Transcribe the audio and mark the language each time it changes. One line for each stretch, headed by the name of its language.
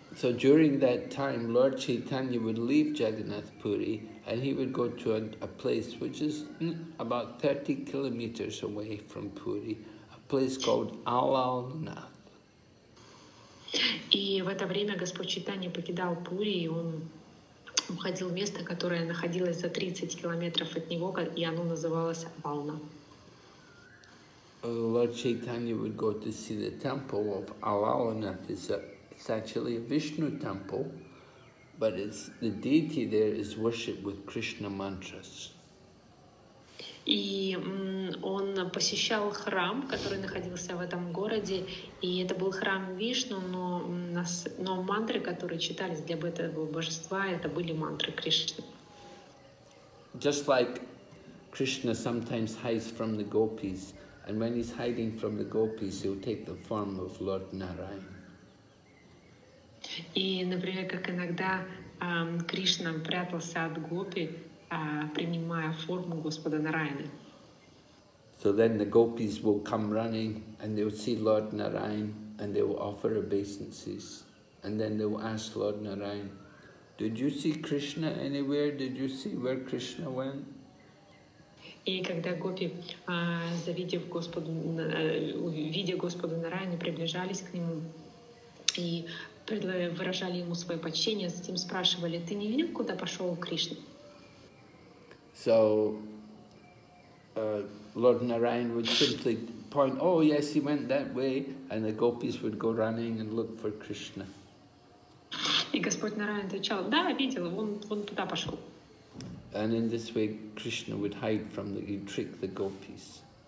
English: So during that time, Lord Chaitanya would leave Jagannath Puri and he would go to a place which is about 30 kilometers away from Puri, a place called Alalnath.
Russian: И в это время Господь Чайтанья покидал Пури, и он уходил в место, которое находилось за 30 километров от него, и оно называлось Ална.
English: Lord Chaitanya would go to see the temple of Alalnath. It's actually a Vishnu temple, but it's the deity there is worshipped with Krishna mantras.
Russian: И он посещал храм, который находился в этом городе, и это был храм Вишну, но мантры, которые читались для этого божества, это были мантры Кришны.
English: Just like Krishna sometimes hides from the gopis, and when he's hiding from the gopis, he'll take the form of Lord Narayan.
Russian: И, например, как иногда Кришна прятался от гопи, принимая форму Господа Нараяны.
English: So then the gopis will come running and they will see Lord Narayan and they will offer obeisances. And then they will ask Lord Narayan, did you see Krishna anywhere? Did you see where Krishna went?
Russian: И когда гопи, видя Господа Нараяну, приближались к нему и выражали ему свое почтение, затем спрашивали, ты не видел, куда пошел Кришна?
English: So, Lord Narayan would simply point, oh yes, he went that way, and the gopis would go running and look for Krishna.
Russian: И Господь Нараян отвечал, да, видел, он туда пошел.
English: And in this way, Krishna would hide from the, he'd trick the gopis.